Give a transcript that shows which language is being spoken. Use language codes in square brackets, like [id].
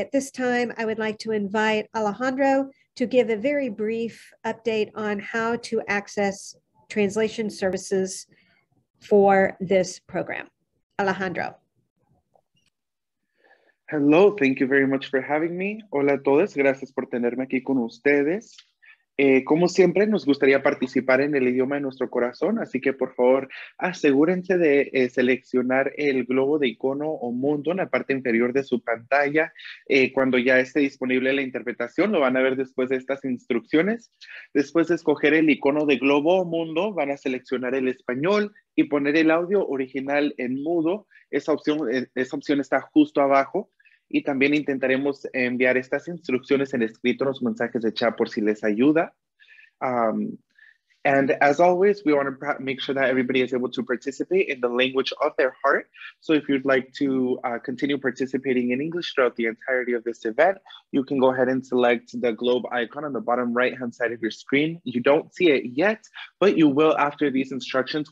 [en] At this time, I would like to invite Alejandro to give a very brief update on how to access translation services for this program. Alejandro. Hello, thank you very much for having me. [es] Hola a todos, gracias por tenerme aquí con ustedes. Como siempre, nos gustaría participar en el idioma de nuestro corazón, así que por favor, asegúrense de seleccionar el globo de icono o mundo en la parte inferior de su pantalla. Cuando ya esté disponible la interpretación, lo van a ver después de estas instrucciones. Después de escoger el icono de globo o mundo, van a seleccionar el español y poner el audio original en mudo. Esa opción está justo abajo. Y también intentaremos enviar estas instrucciones en escrito en los mensajes de chat por si les ayuda. [en] And as always, we want to make sure that everybody is able to participate in the language of their heart. So if you'd like to continue participating in English throughout the entirety of this event, you can go ahead and select the globe icon on the bottom right-hand side of your screen. You don't see it yet, but you will after these instructions.